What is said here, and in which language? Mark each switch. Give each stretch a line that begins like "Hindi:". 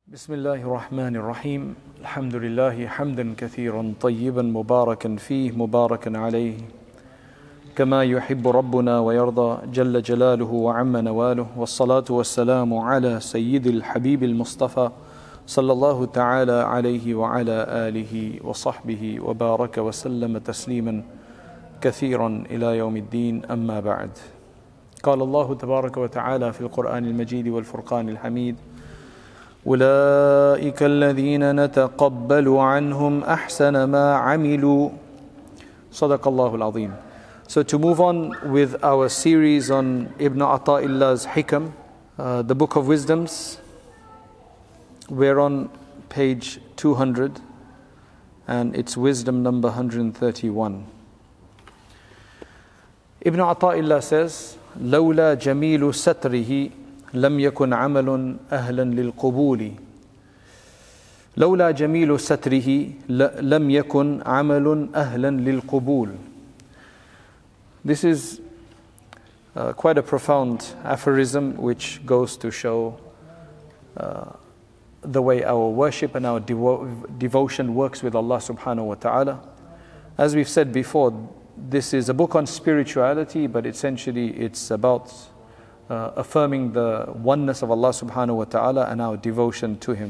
Arabic: بسم الله الرحمن الرحيم الحمد لله حمدا كثيرا طيبا مباركا فيه مباركا عليه كما يحب ربنا ويرضى جل جلاله وعم نواله والصلاة والسلام على سيد الحبيب المصطفى صلى الله تعالى عليه وعلى آله وصحبه وبارك وسلم تسليما كثيرا إلى يوم الدين أما بعد قال الله تبارك وتعالى في القرآن المجيد والفرقان الحميد أولئك الذين نتقبل عنهم أحسن ما عملوا صدق الله العظيم.
English: So to move on with our series on Ibn Ata'illah's Hikam, the Book of Wisdoms, we're on page 200 and it's wisdom number 131. Ibn Ata'illah says,
Arabic: لولا جميل ستره لم يكن عمل أهلا للقبول لولا جميل ستره لم يكن عمل أهلا للقبول.
English: This is quite a profound aphorism which goes to show the way our worship and our devotion works with Allah subhanahu wa ta'ala. As we've said before, this is a book on spirituality, but essentially it's about affirming the oneness of Allah subhanahu wa ta'ala and our devotion to Him.